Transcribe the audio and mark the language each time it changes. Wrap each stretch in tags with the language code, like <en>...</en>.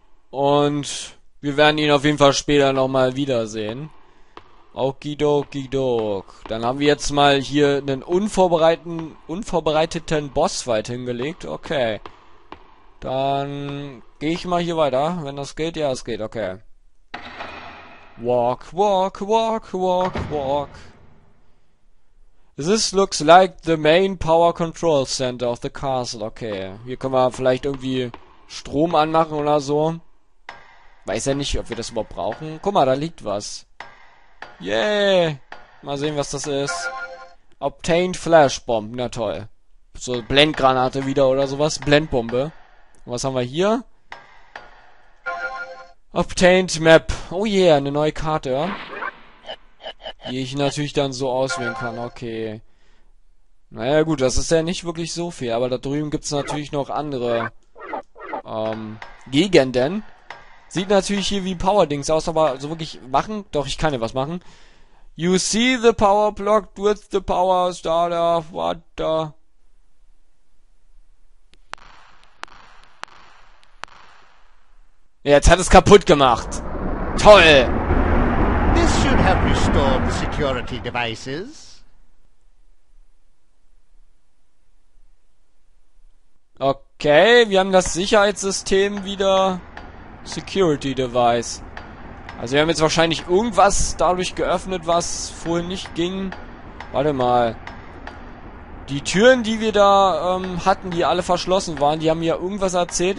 <de>Und wir werden ihn auf jeden Fall später nochmal wiedersehen. Okidoki dok. Dann haben wir jetzt mal hier einen unvorbereiteten Boss weit hingelegt. Okay. Dann gehe ich mal hier weiter. Wenn das geht, ja, es geht. Okay.</de> <en>Walk, walk, walk, walk, walk. This looks like the main power control center of the castle.</en> <de>Okay, hier können wir vielleicht irgendwie Strom anmachen oder so. Weiß ja nicht, ob wir das überhaupt brauchen. Guck mal, da liegt was. Yay! Yeah. Mal sehen, was das ist.</de> <en>Obtained Flash Bomb.</en> <de>Na toll. So Blendgranate wieder oder sowas. Blendbombe. Und was haben wir hier?</de> <en>Obtained Map. Oh yeah,</en> <de>eine neue Karte, ja. Die ich natürlich dann so auswählen kann, okay. Naja gut, das ist ja nicht wirklich so viel, aber da drüben gibt es natürlich noch andere Gegenden. Sieht natürlich hier wie Power-Dings aus, aber so wirklich machen? Doch, ich kann ja was machen.</de> <en>You see the power blocked with the power starter, what the...</en> <de>Jetzt hat es kaputt gemacht. Toll!</de> <en>This should have restored the security devices.</en> <de>Okay, wir haben das Sicherheitssystem wieder. Security Device. Also wir haben jetzt wahrscheinlich irgendwas dadurch geöffnet, was vorhin nicht ging. Warte mal. Die Türen, die wir da hatten, die alle verschlossen waren, die haben ja irgendwas erzählt.</de>